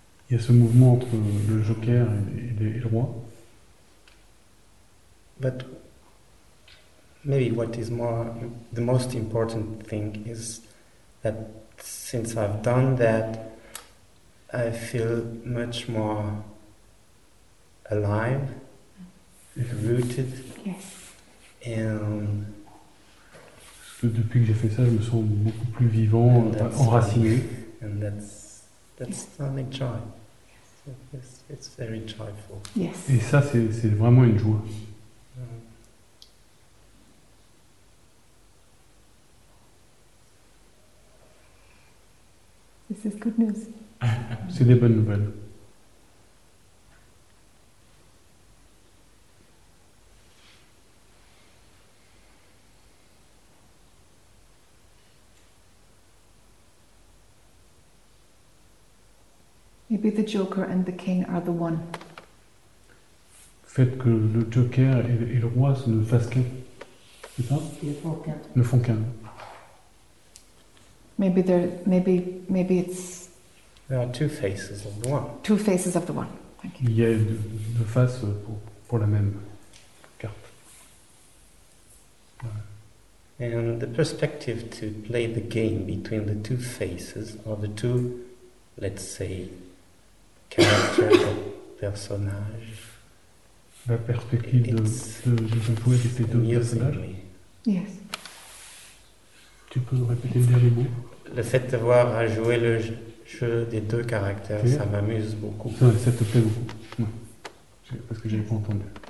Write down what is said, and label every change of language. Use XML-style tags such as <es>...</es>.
<fr>Il y a ce mouvement entre le joker et le roi.</fr> <en>But maybe what is more, the most important thing is that since I've done that, I feel much more alive, rooted. Yes. And</en> <fr>depuis que j'ai fait ça, je me sens beaucoup plus vivant, enraciné.</fr> <en>And that's only joy. So it's very joyful. Yes.</en> <fr>Et ça, c'est vraiment une joie.</fr> <en>This is good news.</en> <fr>C'est des bonnes nouvelles.</fr> <en>Maybe the Joker and the King are the one.</en> <fr>Faites que le Joker et le roi ne fassent qu'un. C'est ça? Ne font qu'un.</fr> <en>Maybe it's. There are two faces of the one. Two faces of the one. Thank you.</en> <fr>Il y a deux faces pour la même carte.</fr> <en>And the perspective to play the game between the two faces or the two, let's say, characters or personnages.</en> <fr>La perspective de jouer avec ces deux personnages.</fr> <en>Yes.</en> <fr>Tu peux répéter le dernier mot? Le fait de voir à jouer le jeu des deux caractères, ça m'amuse beaucoup. Ça te plaît beaucoup. Non. Parce que je n'ai pas entendu.</fr>